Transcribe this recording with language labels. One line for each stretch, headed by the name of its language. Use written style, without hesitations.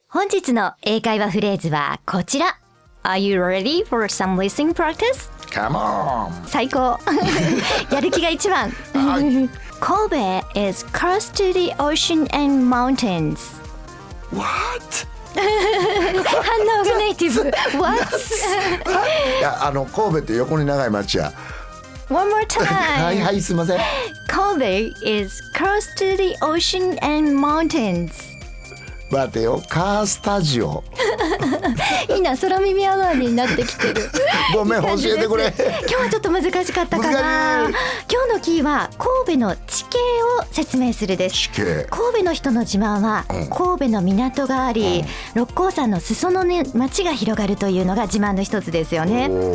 Japanese: 本日の英会話フレーズはこちら。
English: Are you ready for some listening practice? Come on!
Japanese: 最高やる気が一番
English: Kobe is close to the ocean and mountains. What?
Japanese: 反応がネイティブ What? いや、あの神戸って横に長い町や。
English: One more time.
Japanese: はいはい、すいません。
English: Kobe is close to the ocean and mountains.
Japanese: 待てよ、カースタジオいいな、空耳アワーになってきてるごめん、教えてくれ今日はちょっと難しかったかな。今日のキーは神戸の地形を説明するです。地形、神戸の人の自慢は、うん、神戸の港があり、うん、六甲山の裾野の、ね、町が広がるというのが自慢の一つですよね。